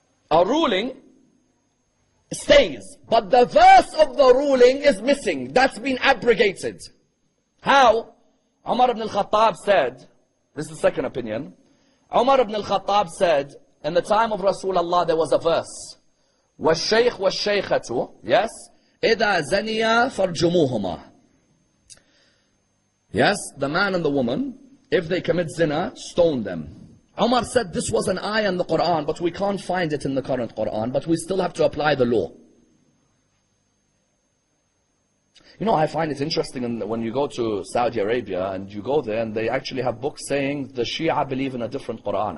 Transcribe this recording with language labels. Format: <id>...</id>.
<en>A ruling stays, but the verse of the ruling is missing. That's been abrogated. How? Umar ibn al-Khattab said, this is the second opinion, Umar ibn al-Khattab said, in the time of Rasulullah, there was a verse.</en> <ar>وَالشَّيْخ وَالشَّيْخَةُ</ar> <en>Yes?</en> <ar>إِذَا زَنِيَا فَرْجُمُوهُمَا Yes?</ar> <en>The man and the woman, if they commit zina, stone them. Umar said, this was an ayah in the Quran, but we can't find it in the current Quran, but we still have to apply the law. You know, I find it interesting when you go to Saudi Arabia and you go there and they actually have books saying the Shia believe in a different Quran.</en>